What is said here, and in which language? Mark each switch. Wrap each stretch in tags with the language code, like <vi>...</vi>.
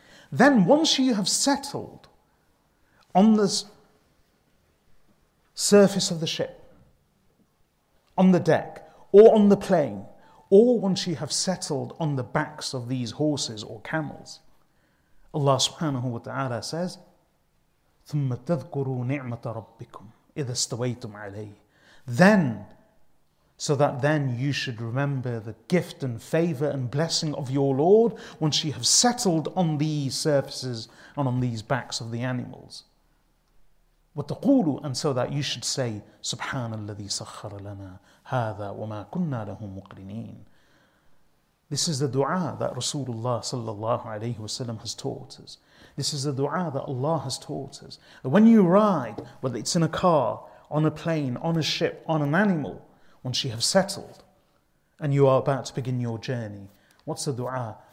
<en>Then once you have settled on the surface of the ship, on the deck, or on the plane, or once you have settled on the backs of these horses or camels, Allah subhanahu wa ta'ala says,</en> <ar>ثُمَّ تَذْكُرُوا نِعْمَةَ رَبِّكُمْ إِذَا اسْتَوَيْتُمْ عَلَيْهِ.</ar> <en>Then, so that then you should remember the gift and favor and blessing of your Lord once you have settled on these surfaces and on these backs of the animals.</en> <ar>وَتَقُولُوا,</ar> <en>and so that you should say,</en> <ar>سُبْحَانَ الَّذِي سَخَّرَ لَنَا هَذَا وَمَا كُنَّا لَهُ مُقْرِنِينَ.</ar> <en>This is the dua that Rasulullah sallallahu alayhi wasallam has taught us. This is the dua that Allah has taught us. That when you ride, whether it's in a car, on a plane, on a ship, on an animal, once you have settled and you are about to begin your journey, what's the dua?</en>